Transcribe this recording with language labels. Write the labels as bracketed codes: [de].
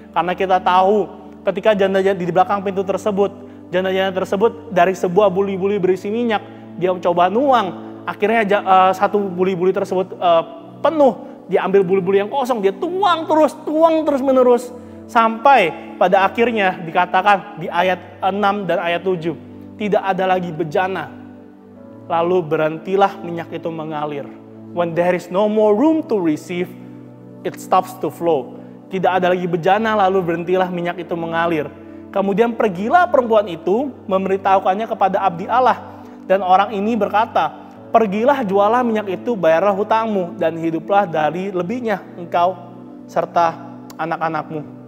[id] Karena kita tahu, ketika janda-janda di belakang pintu tersebut, janda-janda tersebut dari sebuah buli-buli berisi minyak, dia mencoba nuang, akhirnya satu buli-buli tersebut penuh, dia ambil buli-buli yang kosong, dia tuang terus menerus, sampai pada akhirnya dikatakan di ayat 6 dan ayat 7, tidak ada lagi bejana, lalu berhentilah minyak itu mengalir. [en] When there is no more room to receive, it stops to flow. [id] Tidak ada lagi bejana, lalu berhentilah minyak itu mengalir. Kemudian pergilah perempuan itu, memberitahukannya kepada abdi Allah, dan orang ini berkata, pergilah, jualah minyak itu, bayarlah hutangmu, dan hiduplah dari lebihnya engkau serta anak-anakmu.